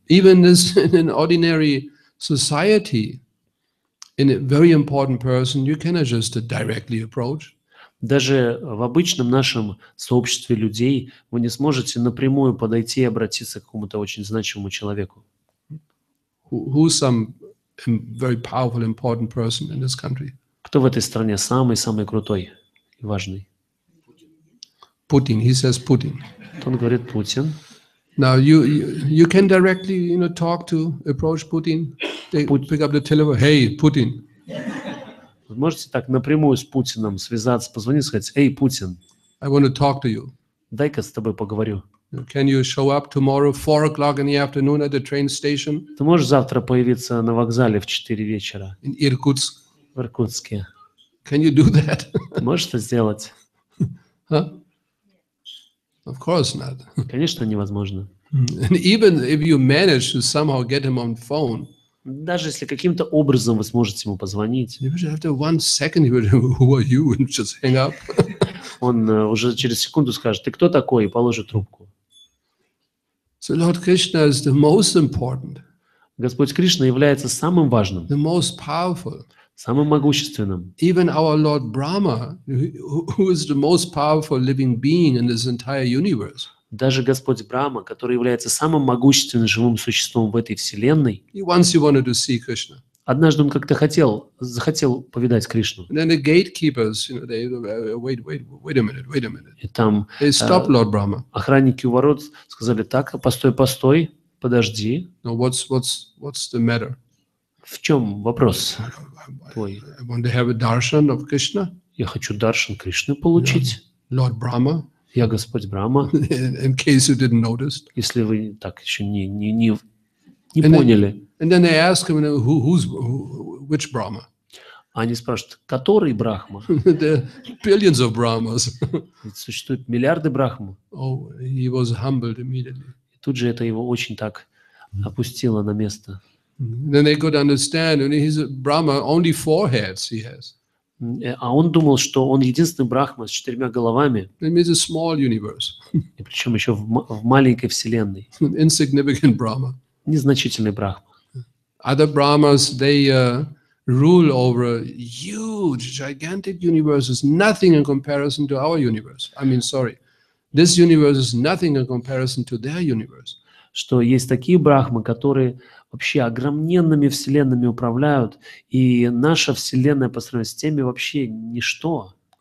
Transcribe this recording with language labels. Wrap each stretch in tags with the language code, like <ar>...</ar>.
<en>Even in an ordinary society, in a very important person, you cannot just directly approach.</en> <ru>Даже в обычном нашем сообществе людей вы не сможете напрямую подойти и обратиться к какому-то очень значимому человеку.</ru> <en>Who's some very powerful, important person in this country?</en> <ru>Кто в этой стране самый-самый крутой и важный?</ru> <en>Путин. He says Putin.</en> <ru>Он говорит Путин.</ru> <en>Now you can directly, you know, talk to, approach Putin. They pick up the telephone. Hey, Putin.</en> <ru>Вы можете так напрямую с Путиным связаться, позвонить, сказать: «Эй, Путин,</ru> <en>I want to talk to you.</en> <ru>Дай-ка с тобой поговорю».</ru> <en>Can you show up tomorrow 4 o'clock in the afternoon at the train station?</en> <ru>Ты можешь завтра появиться на вокзале в 4 вечера?</ru> <en>In Irkutsk.</en> <ru>В Иркутске.</ru> <en>Can you do that?</en> <ru>Ты можешь это сделать?</ru> <en>Huh? Of course not.</en> <ru>Конечно, невозможно.</ru> <en>And even if you manage to somehow get him on phone,</en> <ru>даже если каким-то образом вы сможете ему позвонить,</ru> <en>after 1 second he would say, "Who are you?" and just hang up.</en> <ru>Он уже через секунду скажет: «Ты кто такой?» и положит трубку.</ru> <en>So Lord Krishna is the most important.</en> <ru>Господь Кришна является самым важным.</ru> <en>The most powerful.</en> <ru>Самым могущественным.</ru> <en>Even our Lord Brahma, who is the most powerful living being in this entire universe.</en> <ru>Даже Господь Брахма, который является самым могущественным живым существом в этой вселенной.</ru> <en>He once wanted to see Krishna.</en> <ru>Однажды он как-то захотел повидать Кришну.</ru> <en>And then the gatekeepers, you know, they wait a minute.</en> <ru>И там охранники у ворот сказали: так, постой, подожди.</ru> <en>No, what's the matter?</en> <ru>В чем вопрос твой?</ru> <en>I want to have a darshan of Krishna.</en> <ru>Я хочу даршан Кришны получить.</ru> <en>Yeah. Lord Brahma.</en> <ru>Я Господь Брахма.</ru> <en>In case you didn't notice.</en> <ru>Если вы так еще не поняли.</ru> <en>And then they ask him, which Brahma?</en> <ru>Они спрашивают: который Брахма?</ru> <en>There are billions of Brahmas.</en> <ru>Существует миллиарды Брахма.</ru> <en>Oh, he was humbled immediately.</en> <ru>И тут же это его очень так опустило на место.</ru> <en>Then they could understand, and he's a Brahma, only 4 heads he has.</en> <ru>А он думал, что он единственный Брахма с 4 головами.</ru> <en>It means a small universe.</en> <ru>И причем еще в маленькой вселенной.</ru> <en>An insignificant Brahma.</en> <ru>Незначительный Брахма.</ru> <en>Other Brahmas, they rule over huge, gigantic universes. Nothing in comparison to our universe. I mean, sorry, this universe is nothing in comparison to their universe.</en> <ru>Что есть такие Брахмы, которые вообще огромненными вселенными управляют, и наша вселенная по сравнению с теми вообще ничто.</ru>